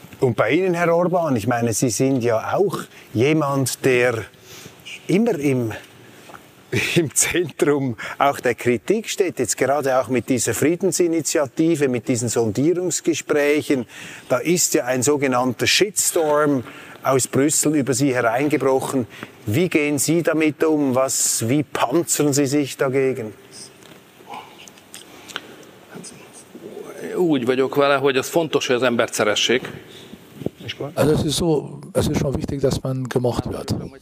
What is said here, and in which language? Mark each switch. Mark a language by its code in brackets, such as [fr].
[de] Und bei Ihnen, Herr Orban, ich meine, Sie sind ja auch jemand, der immer im Zentrum auch der Kritik steht, jetzt gerade auch mit dieser Friedensinitiative, mit diesen Sondierungsgesprächen. Da ist ja ein sogenannter Shitstorm aus Brüssel über Sie hereingebrochen. Wie gehen Sie damit um? Wie panzern Sie sich dagegen? [hu] Úgy vagyok vele, hogy ez fontos, hogy az embert szeressék. [de] Also es ist schon wichtig, dass man gemocht wird.